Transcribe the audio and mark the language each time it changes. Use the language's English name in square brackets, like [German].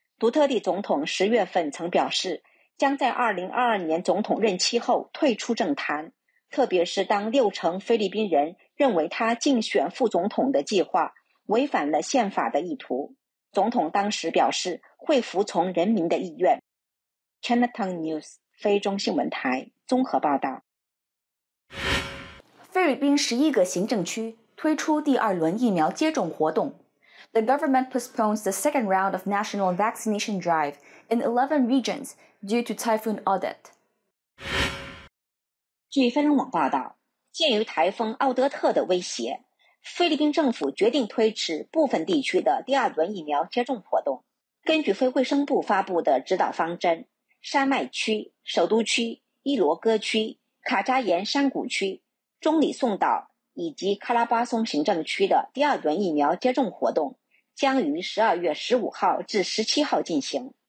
[Chinese] 杜特地总统10月份曾表示，将在2022年总统任期后退出政坛，特别是当六成菲律宾人认为他竞选副总统的计划违反了宪法的意图。总统当时表示会服从人民的意愿。 Cntv News 菲中新闻台综合报道。菲律宾11个行政区推出第二轮疫苗接种活动。 [English] The government postpones the second round of national vaccination drive in 11 regions due to typhoon Odette. [Chinese] 据菲中网报道，鉴于台风奥德特的威胁，菲律宾政府决定推迟部分地区的第二轮疫苗接种活动。根据非卫生部发布的指导方针，山脉区、首都区、伊罗戈区、卡扎岩山谷区、中里宋岛以及喀拉巴松行政区的第二轮疫苗接种活动将于12月15号至17号进行。